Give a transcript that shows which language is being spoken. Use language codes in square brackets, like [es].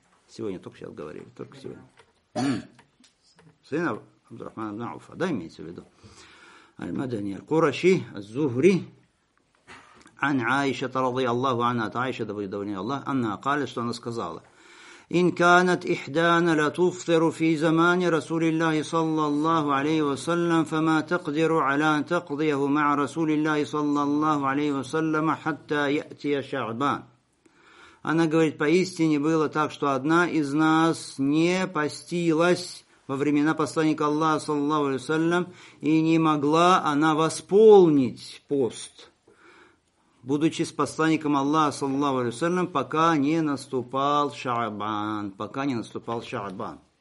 [ru] Сегодня, только сейчас говорили, только сегодня. Сына Абдурахмана ибн Ауфа, да, имеется в виду. Аль-Мадани, Аль-Кураши, Аз-Зухри, Ан-Айша, Тарады Аллаху, Ан-Ата, Айша, да будет довольна Аллах, Ан-Акали, что она сказала. [ar] إن كانت إحدانا لتفطر في زمان رسول الله صلى الله عليه وسلم فما تقدر على أن تقضيه مع رسول الله صلى الله عليه وسلم حتى يأتي شعبان. [ru] Она говорит, поистине было так, что одна из нас не постилась во времена посланника Аллаха [ar] صلى الله عليه وسلم [ru] и не могла она восполнить пост, будучи с посланником Аллаха, саллаллаху алейхи ва саллям, пока не наступал Шаабан, пока не наступал Шаабан.